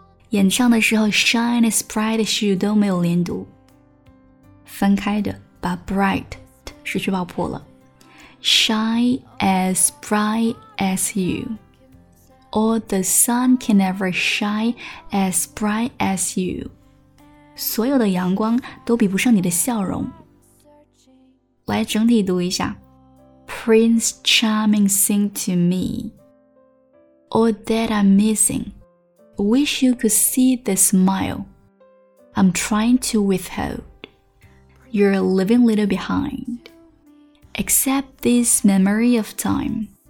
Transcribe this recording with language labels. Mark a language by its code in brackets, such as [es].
[zh] 演唱的时候 [en] Shine as bright as you [zh] 都没有连读分开的把 bright 失去爆破了 [en] Shine as bright as you All the sun can never shine as bright as you [zh] 所有的阳光都比不上你的笑容来整体读一下 [en] Prince Charming sing to me All that I'm missingWish you could see the smile I'm trying to withhold. You're living little behind. Except this memory of time.